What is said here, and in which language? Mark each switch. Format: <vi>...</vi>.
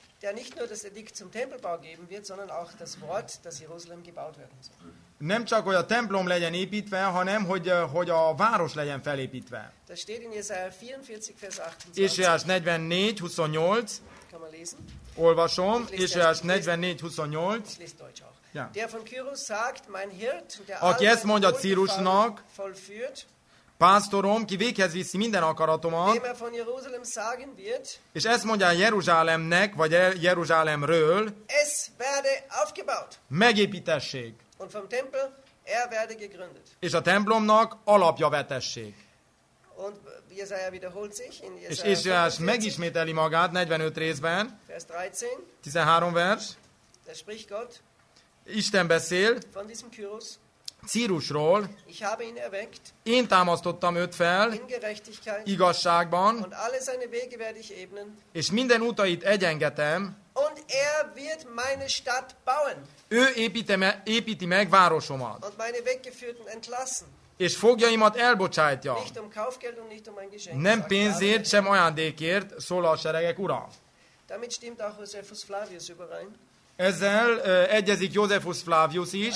<de>der nicht nur das Edikt zum Tempelbau geben wird, sondern auch das Wort, dass Jerusalem gebaut werden soll.</de> <hu>Nem csak hogy a templom legyen építve, hanem hogy a város legyen felépítve.</hu> <de>Das steht in Jesaja 44 Vers 28. Jesaja 44 28. Kann man lesen?</de> <hu>Olvasom. Jesaja 44 28.</hu> <de>Ich lese Deutsch auch. Ja. Der von Kyrus sagt, mein Hirt, der</de> <hu>aki ezt mondja Círusnak, pásztorom, ki véghez viszi minden akaratomat,</hu> <de>wird,</de> <hu>és ezt mondja Jeruzsálemnek, vagy Jeruzsálemről,</hu> <de>es werde aufgebaut,</de> <hu>megépítessék,</hu> <de>und vom Tempel er werde gegründet,</de> <hu>és a templomnak alapja vetessék.</hu> <de>Und Jesaja wiederholt sich in</de> <hu>Jesaja, és Jesajás megismételi magát 45 részben, vers 13, 13 vers,</hu> <de>da spricht Gott,</de> <hu>Isten beszél</hu> <de>von diesem Kyrus,</de> <hu>Círusról.</hu> <de>Ich habe ihn erweckt,</de> <hu>én támasztottam őt fel</hu> <de>in gerechtigkeit,</de> <hu>igazságban,</hu> <de>und alle seine Wege werde ich ebnen,</de> <hu>és minden utait egyengetem,</hu> <de>und er wird meine Stadt bauen,</de> <hu>ő építi meg városomat,</hu> <de>und meine Weggeführten entlassen,</de> <hu>és fogjaimat elbocsájtja,</hu> <de>nicht um Kaufgeld und nicht um ein Geschenk,</de> <hu>nem pénzért, sem ajándékért, szól a seregek ura.</hu> <de>Damit stimmt auch Josephus Flavius überein.</de> <hu>Ezzel egyezik Josephus Flavius is,</hu>